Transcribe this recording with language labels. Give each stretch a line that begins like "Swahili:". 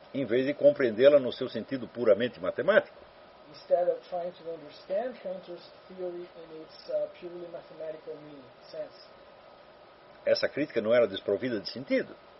Portuguese: Em vez de compreendê-la no seu sentido puramente matemático.
English: Instead of trying to understand Cantor's theory in its purely mathematical meaning sense.
Portuguese: Essa crítica não era desprovida de sentido.